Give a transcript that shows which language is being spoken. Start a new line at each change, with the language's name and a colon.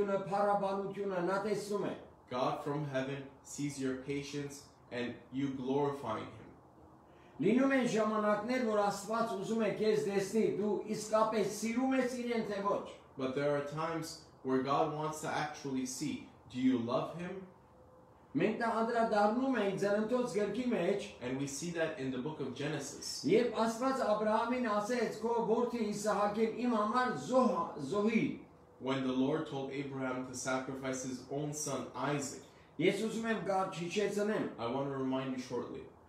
English: God from heaven sees your patience and you glorifying Him.
Armenian: Լինում են ժամանակներ, որ Աստված ուզում է քեզ տեսնի, դու իսկապես սիրում ես իրեն թե ոչ.
English: But there are times where God wants to actually see, do you love Him?
Armenian: Մենք դա անդրադառնում ենք Ձեռնտոց գրքի մեջ,
English: and we see that in the book of Genesis.
Armenian: Երբ Աստված Աբրահամին ասեց, քո որդի Իսահակին իմ համար զոհի.
English: When the Lord told Abraham to sacrifice his own son Isaac. I want to remind you shortly.